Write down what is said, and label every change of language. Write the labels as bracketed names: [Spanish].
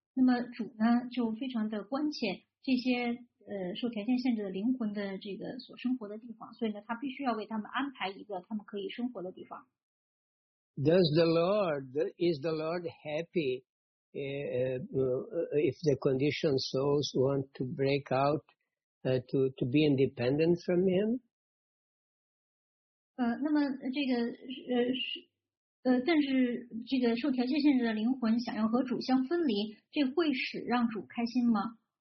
[Chinese] 那这其实是非常重要的，因为这些受条件限制的灵魂呢，他是在一种虚幻的状态下，他想要和主处在一种分离的状态之中，但是呢，他又必须要一个生活的地方，那么主呢就非常的关切这些 受条件限制的灵魂的这个所生活的地方，所以呢，他必须要为他们安排一个他们可以生活的地方。 [English] Does the Lord, is the Lord happy if the conditioned souls want to break out to be independent from him? [Chinese] 那么这个受条件限制的灵魂想要和主相分离，这会使让主开心吗？